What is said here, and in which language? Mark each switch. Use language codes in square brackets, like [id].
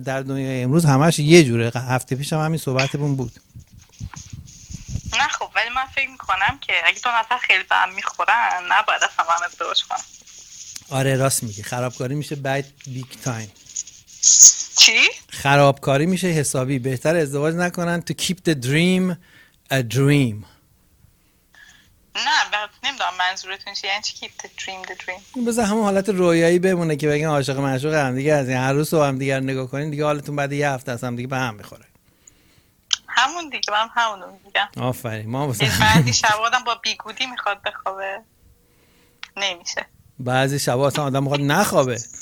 [fa] در دنیای امروز همش یه جوره. هفته پیش هم همین صحبتمون بود. نه خب ولی من فکر میکنم که اگه دو نفر خیلی به هم میخورن نباید اصلا با هم ازدواج کنن. آره راست میگی، خرابکاری میشه بعد بیگ تایم. چی؟ خرابکاری میشه حسابی. بهتر ازدواج نکنن. [en] To keep the dream a dream. [fa] نه نمیدونم منظورتون چیه. یعنی چی [en] keep the dream [fa] بذار همون حالت رویایی بمونه که بگن عاشق معشوق هم دیگه از این هر روز با هم دیگر نگاه کنین دیگه حالتون بعد یه هفته از هم دیگه به هم میخوره. همون دیگه من همونو میگم. آفرین. ما بعضی شبا آدم با بیگودی میخواد بخوابه، نمیشه. بعضی شبا آدم میخواد نخوابه.